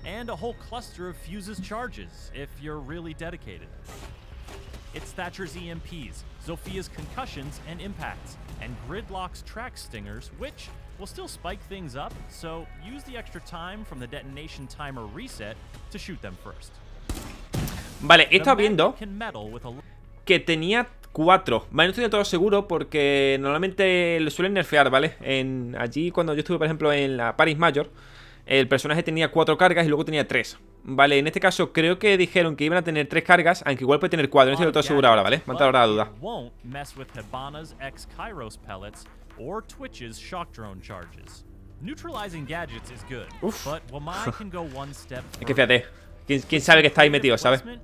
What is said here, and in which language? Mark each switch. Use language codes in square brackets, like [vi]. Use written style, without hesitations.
[en] And a whole cluster of fuses charges if you're really dedicated. It's Thatcher's EMPs, Zofia's concussions and impacts, and Gridlock's track stingers, which will still spike things up, so use the extra time from the detonation timer reset to shoot them first. [es] Vale, he estado viendo que tenía 4. Vale, no estoy del todo seguro porque normalmente lo suelen nerfear, ¿vale? Allí cuando yo estuve, por ejemplo, en la Paris Major, el personaje tenía 4 cargas y luego tenía 3. Vale, en este caso creo que dijeron que iban a tener 3 cargas, aunque igual puede tener 4, no estoy del todo seguro ahora, ¿vale? Mantén ahora la duda. [en] Won't mess with Hibana's ex-Kairos pellets or Twitch's shock drone charges. Neutralizing gadgets is good, but Wamai can go one step further. [es] Es que fíjate, ¿quién sabe que está ahí metido, ¿sabes?